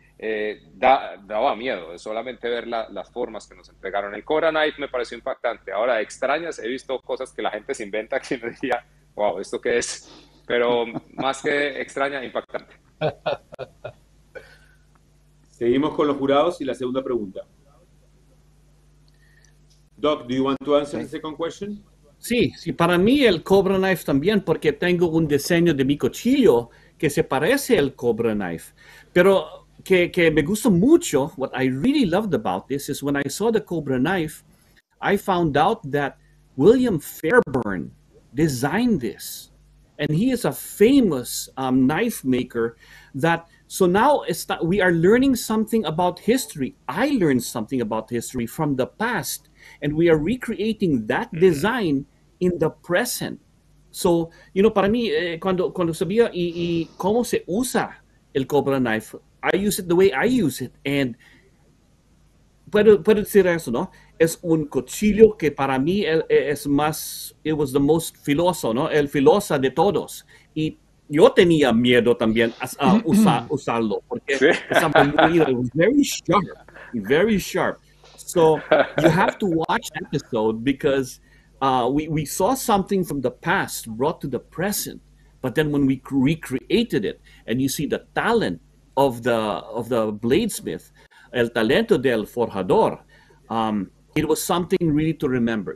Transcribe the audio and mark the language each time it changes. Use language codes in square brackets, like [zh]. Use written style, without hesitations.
[es] daba miedo. Solamente ver las formas que nos entregaron. El Cobra Knife me pareció impactante. Ahora, de extrañas, he visto cosas que la gente se inventa, que me decía, wow, ¿esto qué es? Pero más que extraña, impactante. Seguimos con los jurados y la segunda pregunta. [en] Doc, do you want to answer the second question? [es] Sí, sí, para mí el Cobra Knife también, porque tengo un diseño de mi cuchillo que se parece al Cobra Knife. Pero que me gusta mucho, [en] what I really loved about this is when I saw the Cobra Knife, I found out that William Fairburn designed this. And he is a famous knife maker. That so now it's that we are learning something about history. I learned something about history from the past, and we are recreating that design in the present. So, you know, [es] para mí, cuando sabía y cómo se usa el Cobra Knife, [en] I use it the way I use it. [es] And puedo decir eso, ¿no? Es un cuchillo que para mí es más, [en] it was the most [es] filoso, ¿no? El filoso de todos. Y yo tenía miedo también a usarlo, porque es [en] very sharp, very sharp. So you have to watch the episode because we saw something from the past brought to the present, but then when we recreated it and you see the talent of the bladesmith, [es] el talento del forjador, [en] it was something really to remember.